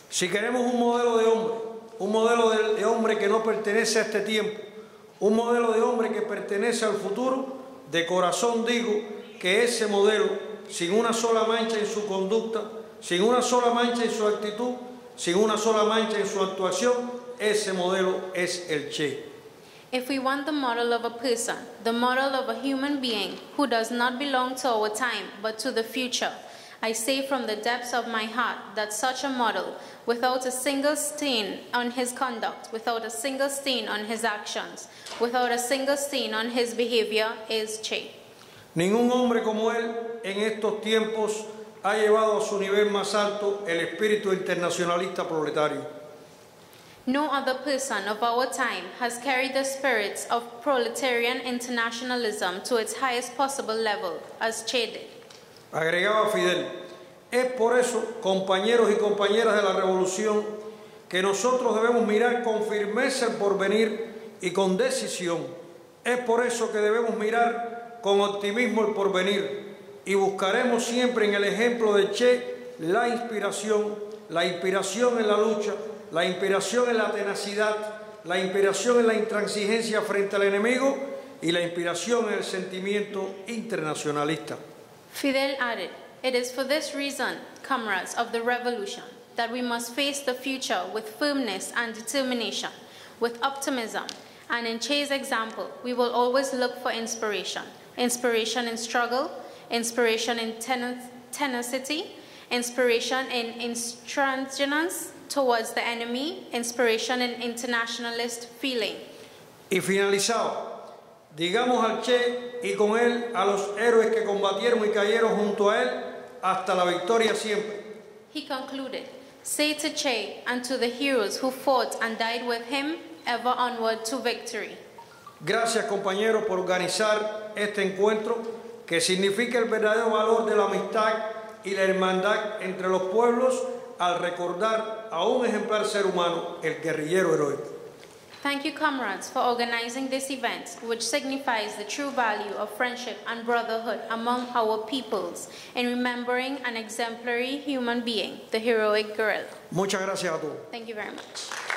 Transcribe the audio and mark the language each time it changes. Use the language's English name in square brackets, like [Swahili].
[Spanish] Si queremos un modelo de hombre, un modelo de hombre que no pertenece a este tiempo, un modelo de hombre que pertenece al futuro, de corazón digo que ese modelo, sin una sola mancha en su conducta, sin una sola mancha en su actitud, sin una sola mancha en su actuación, ese modelo es el Che. [English] If we want the model of a person, the model of a human being who does not belong to our time but to the future, I say from the depths of my heart that such a model, without a single stain on his conduct, without a single stain on his actions, without a single stain on his behavior, is Che. [Spanish] Ningún hombre como él en estos tiempos ha llevado a su nivel más alto el espíritu internacionalista proletario. [English] No other person of our time has carried the spirits of proletarian internationalism to its highest possible level as Che did. [Spanish] Agregaba Fidel, Es por eso, compañeros y compañeras de la revolución, que nosotros debemos mirar con firmeza el porvenir y con decisión. Es por eso que debemos mirar con optimismo el porvenir y buscaremos siempre en el ejemplo de Che la inspiración en la lucha, la inspiración en la tenacidad, la inspiración en la intransigencia frente al enemigo y la inspiración en el sentimiento internacionalista. [English] Fidel added, "It is for this reason, comrades of the revolution, that we must face the future with firmness and determination, with optimism, and in Che's example, we will always look for inspiration. Inspiration in struggle, inspiration in tenacity, inspiration in intransigence towards the enemy, inspiration in internationalist feeling." [Spanish] Y finalizado, digamos al Che y con él a los héroes que combatieron y cayeron junto a él, hasta la victoria siempre. [English] He concluded, "Say to Che and to the heroes who fought and died with him, ever onward to victory." [Spanish] Gracias, compañeros, por organizar este encuentro que significa el verdadero valor de la amistad y la hermandad entre los pueblos al recordar a un ejemplar ser humano, el guerrillero heroico. [English] Thank you, comrades, for organizing this event, which signifies the true value of friendship and brotherhood among our peoples in remembering an exemplary human being, the heroic guerrilla. [Spanish] Muchas gracias a todos. [English] Thank you very much.